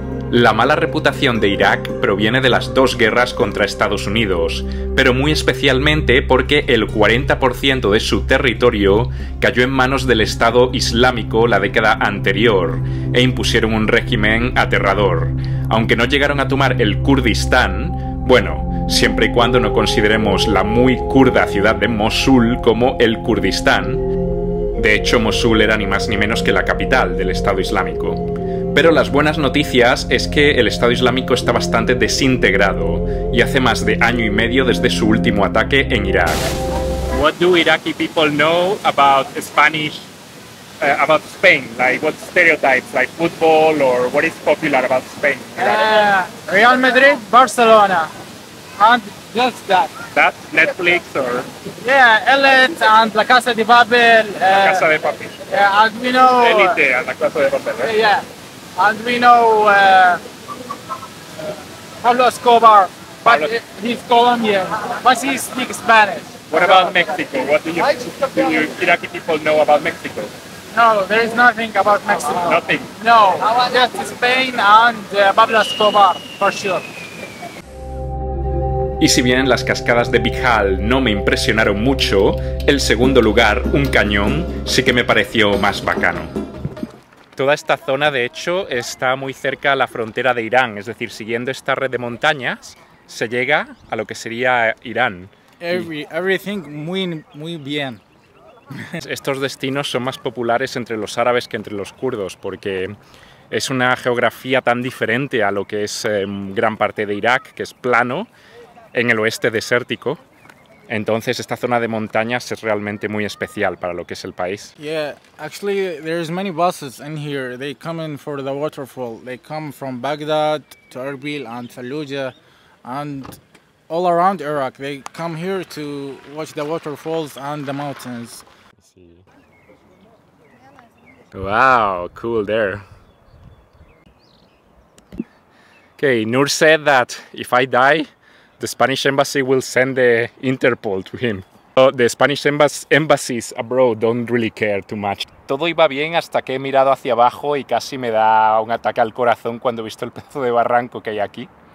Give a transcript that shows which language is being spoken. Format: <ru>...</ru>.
<es>La mala reputación de Irak proviene de las dos guerras contra Estados Unidos, pero muy especialmente porque el 40% de su territorio cayó en manos del Estado Islámico la década anterior e impusieron un régimen aterrador, aunque no llegaron a tomar el Kurdistán, bueno, siempre y cuando no consideremos la muy kurda ciudad de Mosul como el Kurdistán. De hecho, Mosul era ni más ni menos que la capital del Estado Islámico. Pero las buenas noticias es que el Estado Islámico está bastante desintegrado y hace más de año y medio desde su último ataque en Irak.</es> <en>What do Iraqi people know about Spanish, about Spain? Like what stereotypes, like football or what is popular about Spain? Real Madrid, Barcelona, and just that. That Netflix or? Yeah, Ellen and La Casa de Papel. La Casa de Papel. Yeah, as we know. Elite and La Casa de Papel. Right? Yeah. And we know Pablo Escobar, but he's Colombian, but he speaks Spanish. What about Mexico? What do you Iraqi people know about Mexico? No, there is nothing about Mexico. Nothing? No, just Spain and Pablo Escobar, for sure.</en> <es>Y si bien las cascadas de Bijal no me impresionaron mucho, el segundo lugar, un cañón, sí que me pareció más bacano. Toda esta zona, de hecho, está muy cerca a la frontera de Irán, es decir, siguiendo esta red de montañas, se llega a lo que sería Irán. Everything muy, muy bien. Estos destinos son más populares entre los árabes que entre los kurdos, porque es una geografía tan diferente a lo que es gran parte de Irak, que es plano, en el oeste desértico. Entonces esta zona de montañas es realmente muy especial para lo que es el país.</es> <en>Yeah, actually there's many buses in here. They come in for the waterfall. They come from Baghdad to Erbil and Fallujah and all around Iraq. They come here to watch the waterfalls and the mountains. Wow, cool there. Okay, Nur said that if I die, the Spanish embassy will send the Interpol to him. So the Spanish embassies abroad don't really care too much.</en> <es>Todo iba bien hasta que he mirado hacia abajo y casi me da un ataque al corazón cuando he visto el pedazo de barranco que hay aquí.</es>